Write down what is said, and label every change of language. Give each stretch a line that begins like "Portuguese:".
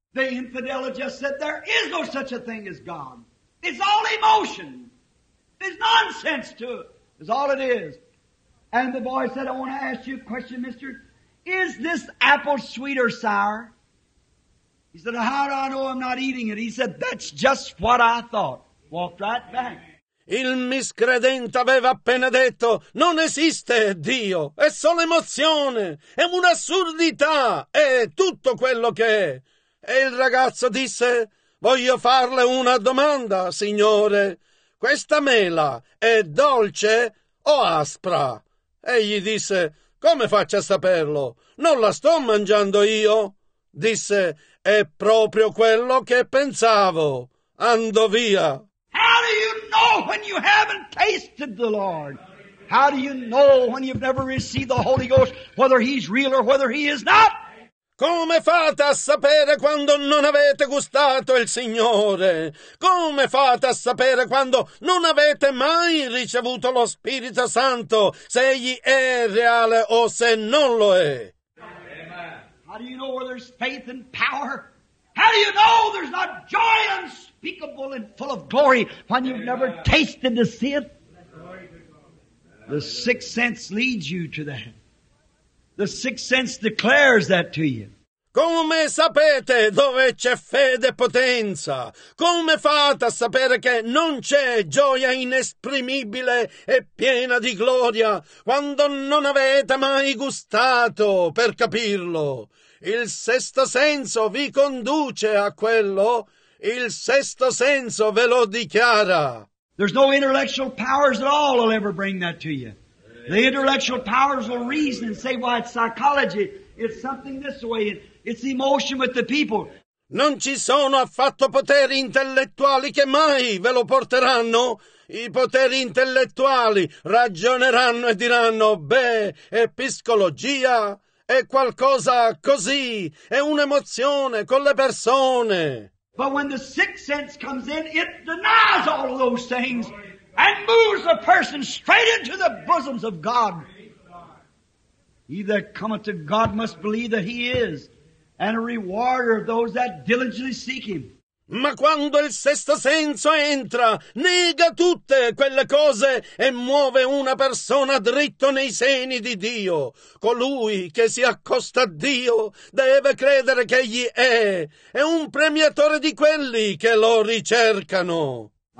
English: The infidel just said, there is no such a thing as God. It's all emotion. There's nonsense to it. It's all it is. And the boy said, I want to ask you a question, mister. Is this apple sweet or sour? He said, how do I know I'm not eating it? He said, that's just what I thought. Walked right back.
Italian: Il miscredente aveva appena detto, non esiste Dio. È solo emozione. È un'assurdità. È tutto quello che è. E il ragazzo disse, voglio farle una domanda, signore. Questa mela è dolce o aspra? Egli disse, come faccio a saperlo? Non la sto mangiando io. Disse, è proprio quello che pensavo. Andò via.
English: How do you know when you haven't tasted the Lord? How do you know when you've never received the Holy Ghost, whether he's real or whether he is not?
Italian: Come fate a sapere quando non avete gustato il Signore? Come fate a sapere quando non avete mai ricevuto lo Spirito Santo, se egli è reale o se non lo è?
English: How do you know where there's faith and power? How do you know there's not joy unspeakable and full of glory when you've never tasted to see it? The sixth sense leads you to that. The sixth sense declares that to you.
Italian: Come sapete dove c'è fede e potenza? Come fate a sapere che non c'è gioia inesprimibile e piena di gloria quando non avete mai gustato per capirlo? Il sesto senso vi conduce a quello. Il sesto senso ve lo dichiara.
English: There's no intellectual powers at all will ever bring that to you. The intellectual powers will reason and say, why, it's psychology. It's something this way. It's emotion with the people.
Italian: Non ci sono affatto poteri intellettuali che mai ve lo porteranno. I poteri intellettuali ragioneranno e diranno, beh, è psicologia, è qualcosa così, è un'emozione con le persone.
English: But when the sixth sense comes in, it denies all of those things and moves the person straight into the bosoms of God. He that cometh to God must believe that He is, and a rewarder of those that diligently seek Him.
Italian: Ma quando il sesto senso entra, nega tutte quelle cose e muove una persona dritto nei seni di Dio. Colui che si accosta a Dio deve credere che Egli è un premiatore di quelli che lo ricercano.